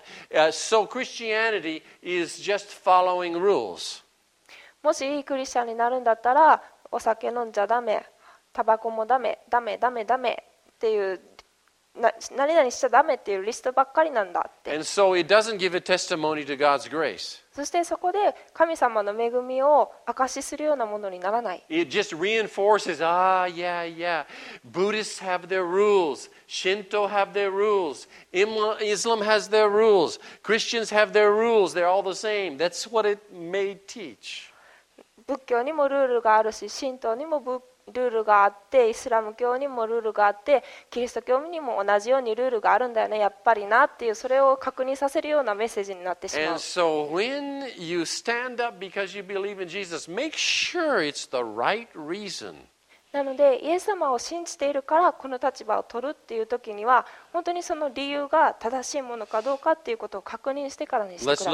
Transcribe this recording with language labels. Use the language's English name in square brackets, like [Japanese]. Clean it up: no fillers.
[English] So Christianity is just following rules. [Japanese] もしいいクリスチャンになるんだったら、お酒飲んじゃダメ。タバコもダメ、ダメ、ダメ、ダメっていう何々しちゃダメっていうリストばっかりなんだって。 [English] And so it doesn't give a testimony to God's grace. [Japanese] そしてそこで神様の恵みを証しするようなものにならない。 [English] It just reinforces, yeah, yeah. Buddhists have their rules. Shinto have their rules. Islam has their rules. Christians have their rules. They're all the same. That's what it may teach. [Japanese] 仏教にもルールがあるし、神道にもルールがあって、イスラム教にもルールがあって、キリスト教にも同じようにルールがあるんだよね、やっぱりなっていう、それを確認させるようなメッセージになってしまう。 [English] And so when you stand up because you believe in Jesus, make sure it's the right reason. [Japanese] なので、イエス様を信じているからこの立場を取るっていう時には、本当にその理由が正しいものかどうかっていうことを確認してからにしてください。